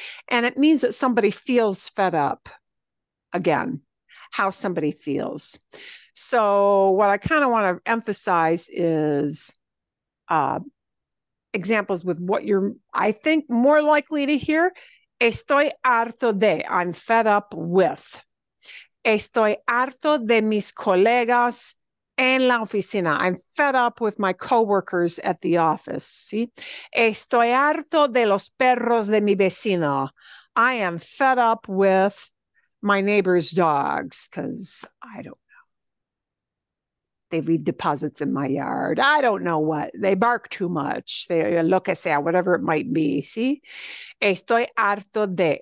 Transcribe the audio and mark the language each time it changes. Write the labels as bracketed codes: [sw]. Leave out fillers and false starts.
[en] And it means that somebody feels fed up. Again, how somebody feels. So what I kind of want to emphasize is examples with what you're, I think, more likely to hear. [es] Estoy harto de, [en] I'm fed up with. [es] Estoy harto de mis colegas en la oficina. [en] I'm fed up with my coworkers at the office. [es] ¿Sí? Estoy harto de los perros de mi vecino. [en] I am fed up with my neighbor's dogs, because I don't know. They leave deposits in my yard. I don't know what. They bark too much. They [es] lo que sea, [en] whatever it might be. [es] ¿Sí? Estoy harto de.